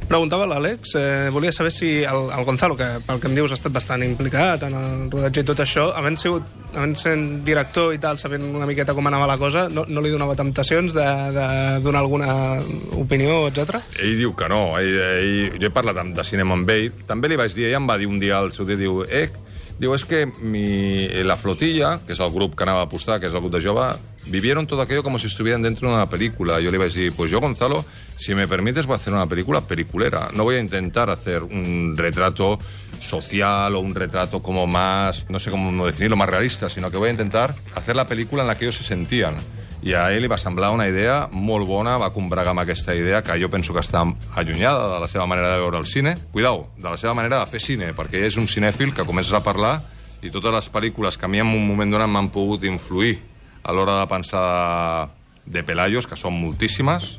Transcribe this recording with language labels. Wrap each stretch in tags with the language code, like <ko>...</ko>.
<ca>Preguntava l'Àlex, volia saber si el Gonzalo, que pel que em dius ha estat bastant implicat en el rodatge i tot això, havent sent director i tal, sabent una miqueta com anava la cosa, no li donava temptacions de donar alguna opinió, etc. Ell diu que no. Ell, jo he parlat de cinema amb ell. També li vaig dir, ell em va dir un dia al seu dia, diu, diu, és que la flotilla, que és el grup que anava a apostar, que és el grup de jove,</ca> <es>vivieron todo aquello como si estuvieran dentro de una película. Yo le iba a decir, pues yo, Gonzalo, si me permites, voy a hacer una película peliculera. No voy a intentar hacer un retrato social o un retrato como más, no sé cómo definirlo, más realista, sino que voy a intentar hacer la película en la que ellos se sentían.</es> <ca>I a ell li va semblar una idea molt bona, va combregar amb aquesta idea, que jo penso que està allunyada de la seva manera de veure el cine. Cuidao, de la seva manera de fer cine, perquè ell és un cinèfil que comença a parlar i totes les pel·lícules que a mi en un moment donat m'han pogut influir a l'hora de pensar de Pelayos, que són moltíssimes.</ca>